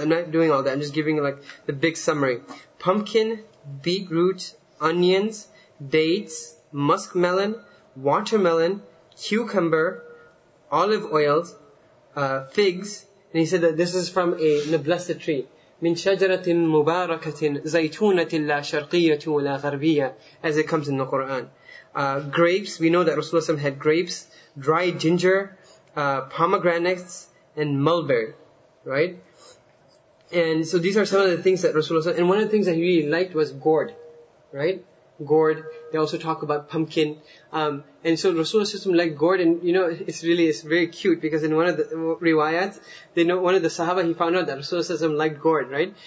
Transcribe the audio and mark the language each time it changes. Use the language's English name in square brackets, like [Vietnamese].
[English] I'm not doing all that. I'm just giving, like, the big summary. Pumpkin, beetroot, onions, dates, muskmelon, watermelon, cucumber, olive oils, figs, and he said that this is from a blessed tree. [Arabic] من شجرة مباركة زيتونة لا شرقية ولا غربية, [English] as it comes in the Quran. Grapes, we know that Rasulullah had grapes, dried ginger, pomegranates, and mulberry, right? And so these are some of the things that Rasulullah, and one of the things that he really liked was gourd, right? Gourd. They also talk about pumpkin. And so Rasulullah liked gourd, and you know, it's very cute because in one of the riwayat, they know one of the Sahaba, he found out that Rasulullah liked gourd, right?